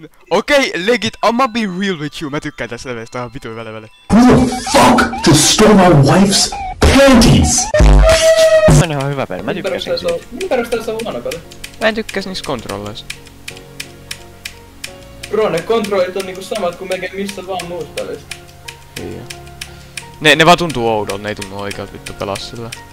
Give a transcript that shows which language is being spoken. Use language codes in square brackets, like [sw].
[en] Okay, legit, I'ma be real with you. [fi] Mä tykkään tästä levelistä, tää on vitu hyvä level. [en] Who the fuck just stole my wife's panties? [fi] Tää on ihan hyvä peli, mä tykkäsin. Minun perusteella se on huono peli. Mä en tykkäs niissä kontrolleissa. Bro, ne kontrollit on niinku samat kuin meikä missä vaan muussa pelissä. Joo. Ne vaan tuntuu oudolta, ne ei tunnu oikeat vittu pelaa sillä.